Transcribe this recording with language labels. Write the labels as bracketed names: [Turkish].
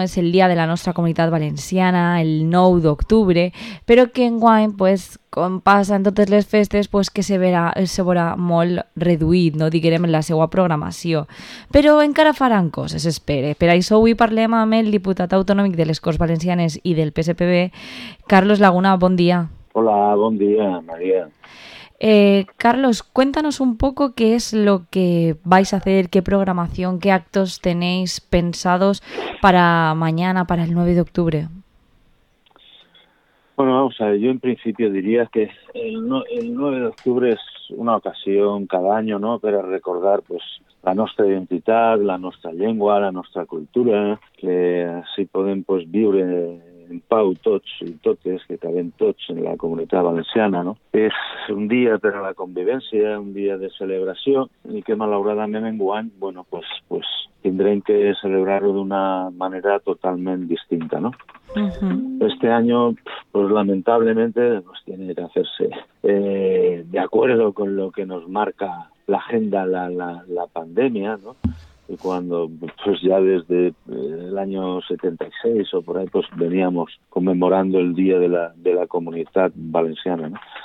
[Catalan] És el dia de la nostra comunitat valenciana, el 9 d'octubre, però que enguany, pues, com passa en totes les festes, pues, que se verà molt reduït, no? Diguem, la seva programació. Però encara faran coses, espere. Per això avui parlem amb el diputat autonòmic de les Corts Valencianes i del PSPB, Carlos Laguna, bon dia. Hola, bon dia, Maria. [Spanish] Carlos, cuéntanos un poco qué es lo que vais a hacer, qué programación, qué actos tenéis pensados para mañana, para el 9 de octubre. Bueno, vamos a ver, yo en principio diría que el 9 de octubre es una ocasión cada año, ¿no?, para recordar, pues, [Catalan] la nostra identitat, la nostra llengua, la nostra cultura, que així podem, pues, viure en pau tots i totes, que cabem tots en la comunitat valenciana, no? És un dia per a la convivència, un dia de celebració, i que malauradament enguany, bueno, pues tindrem que celebrar-ho d'una manera totalment distinta, no? Uh-huh. [Spanish] Este año, pues lamentablemente, pues tiene que hacerse de acuerdo con lo que nos marca la agenda, la pandemia, ¿no? Y cuando, pues ya desde el año 76 o por ahí, pues veníamos conmemorando el Día de la Comunidad Valenciana, ¿no?